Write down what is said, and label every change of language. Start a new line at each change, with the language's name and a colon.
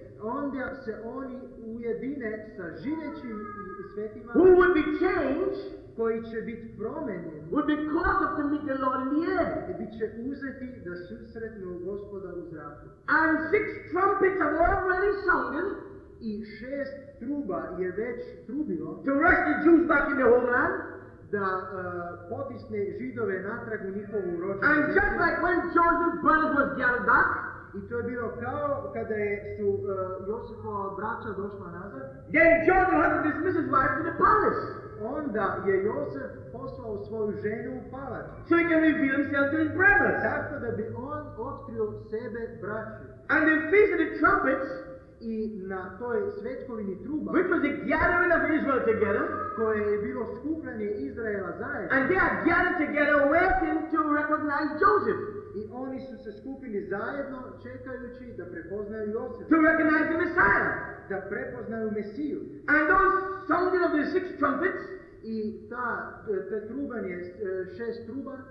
Croatian: onda se oni ujedine sa živećim svetima,
English: who would be changed,
Croatian: koji će biti promenjeni,
English: would be caught up to meet the Lord in the air,
Croatian: i bit će uzeti da susretnu Gospoda u zraku.
English: And six trumpets have already sounded,
Croatian: i šest truba je već trubilo,
English: to rush the Jews back in the homeland,
Croatian: da potisne Židove natrag u njihovu rođenu.
English: And just like when Joseph's brothers was gathered back,
Croatian: i to je bilo kao kada je su Josefova braća došla nazad.
English: Then Joseph had to dismiss his wife to the palace.
Croatian: Onda je Josef poslao svoju ženu u palac.
English: So he can reveal himself to his brothers.
Croatian: Tako da bi on otkrio sebe braću.
English: And the feast of the trumpets,
Croatian: i na toj svetkovini truba,
English: which was the gathering of Israel together,
Croatian: koje je bilo skupljanje Izraela zajedno.
English: And they are gathered together waiting to recognize Joseph.
Croatian: I oni su se skupili zajedno čekajući da prepoznaju Josefa.
English: To recognize the Messiah.
Croatian: Da prepoznaju Mesiju.
English: And those sounding of the six trumpets,
Croatian: i te trubanje, šest truba,